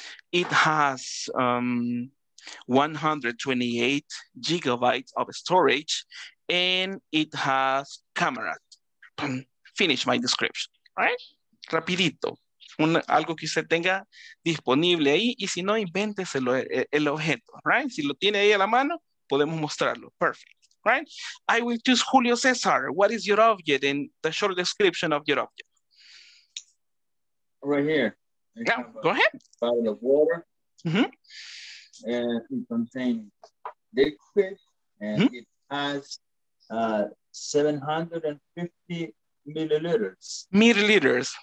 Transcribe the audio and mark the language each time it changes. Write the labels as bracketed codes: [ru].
[en] It has 128 gigabytes of storage, and it has camera. Finish my description, right? Rapidito. [es] Algo que usted tenga disponible ahí, y si no, invénteselo el objeto, right? Si lo tiene ahí a la mano, podemos mostrarlo. [en] Perfect, right? I will choose Julio Cesar. What is your object in the short description of your object? Right here. Yeah, go ahead. Bottle of water. Mm-hmm. It contains liquid, and mm-hmm. it has 750 milliliters.